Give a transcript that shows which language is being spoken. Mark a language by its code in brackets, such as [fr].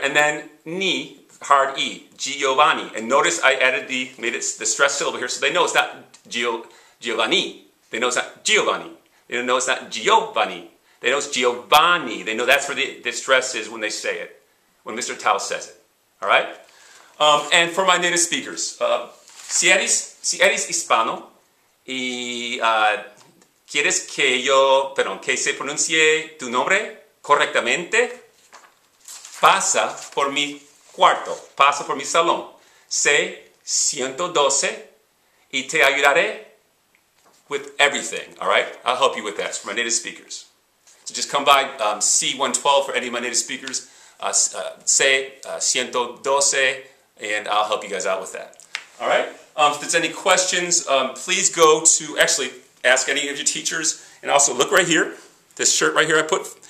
[en] And then ni, hard E, Giovanni. And notice I added made it the stressed syllable here, so they know it's not Giovanni. They know it's not Giovanni. They know it's not Giovanni. They know it's Giovanni. They know that's where the stress is when they say it, when Mr. Tao says it, all right? [es] And for my native speakers, si eres hispano y quieres que yo, perdón, que se pronuncie tu nombre correctamente, pasa por mi cuarto, pasa por mi salón, C-112, y te ayudaré [en] with everything, all right? I'll help you with that, for my native speakers. So just come by C-112 for any of my native speakers, C-112, and I'll help you guys out with that, all right? If there's any questions, please go to, actually, ask any of your teachers, and also look right here, this shirt right here I put.